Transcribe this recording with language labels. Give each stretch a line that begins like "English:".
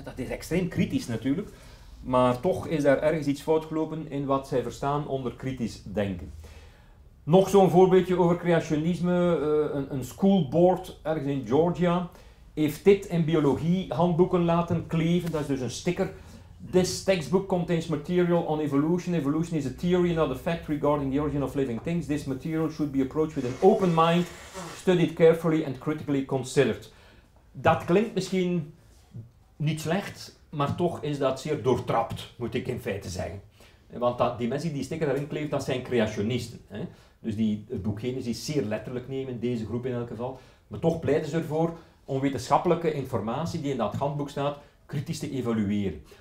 Dutch: Dat is extreem kritisch natuurlijk. Maar toch is daar ergens iets fout gelopen in wat zij verstaan onder kritisch denken. Nog zo'n voorbeeldje over creationisme. Een school board ergens in Georgia heeft dit in biologie handboeken laten kleven. Dat is dus een sticker.
English: This textbook contains material on evolution. Evolution is a theory, not a fact regarding the origin of living things. This material should be approached with an open mind, studied carefully and critically considered.
Dutch: Dat klinkt misschien niet slecht, maar toch is dat zeer doortrapt, moet ik in feite zeggen. Want die mensen die sticker daarin kleven, dat zijn creationisten. Hè? Dus die het boek Genesis zeer letterlijk nemen, deze groep in elk geval. Maar toch pleiten ze ervoor om wetenschappelijke informatie die in dat handboek staat, kritisch te evalueren.